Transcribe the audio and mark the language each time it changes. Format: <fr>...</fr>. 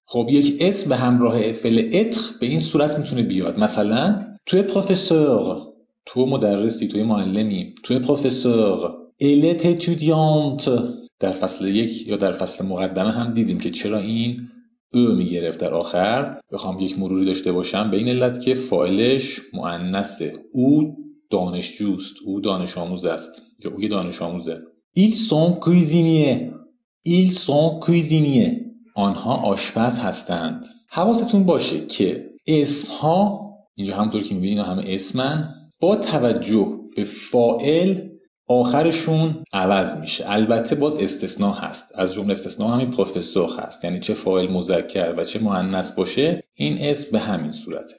<fa>خب یک اسم به همراه فعل être به این صورت میتونه بیاد، مثلا</fa> <fr>tu es professeur،</fr> <fa>تو مدرسی، تو معلمی، tu es professeur،</fa> <fr>elle est étudiante.</fr> <fa>در فصل یک یا در فصل مقدمه هم دیدیم که چرا این او میگرفت در آخر. بخوام یک مروری داشته باشم به این علت که فاعلش مؤنثه، او دانشجوست، او دانش آموز است، یا او یه دانش آموزه.</fa> <fr>ils sont cuisiniers، ils sont cuisiniers،</fr> <fa>آنها آشپز هستند. حواستون باشه که اسم ها اینجا همونطور که میبینید همه اسمن، با توجه به فاعل آخرشون عوض میشه، البته باز استثناء هست، از جمله استثناء همین پروفسور هست، یعنی چه فاعل مذکر و چه مؤنث باشه این اسم به همین صورت.</fa>